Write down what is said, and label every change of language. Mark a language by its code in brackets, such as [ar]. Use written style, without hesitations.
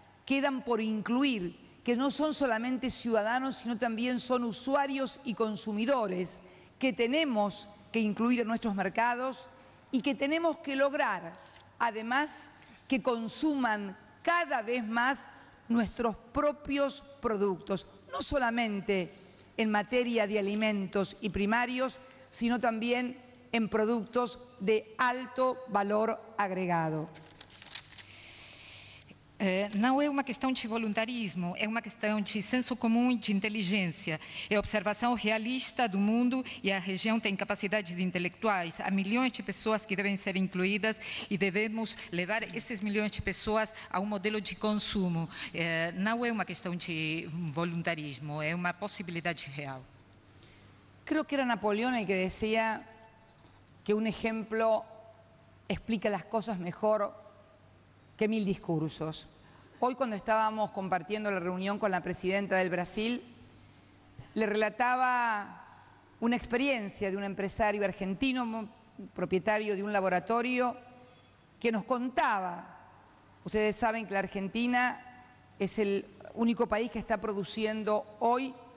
[es] quedan por incluir, que no son solamente ciudadanos, sino también son usuarios y consumidores que tenemos que incluir en nuestros mercados y que tenemos que lograr, además, que consuman cada vez más nuestros propios productos, no solamente en materia de alimentos y primarios, sino también en productos de alto valor agregado. [pt] Não é uma questão de voluntarismo, é uma questão de senso comum e de inteligência. É observação realista do mundo e a região tem capacidades intelectuais. Há milhões de pessoas que devem ser incluídas e devemos levar esses milhões de pessoas a um modelo de consumo. Não é uma questão de voluntarismo, é uma possibilidade real. [es] Creo que era Napoleón el que decía que un ejemplo explica las cosas mejor que mil discursos. Hoy, cuando estábamos compartiendo la reunión con la presidenta del Brasil, le relataba una experiencia de un empresario argentino, propietario de un laboratorio, que nos contaba, ustedes saben que la Argentina es el único país que está produciendo hoy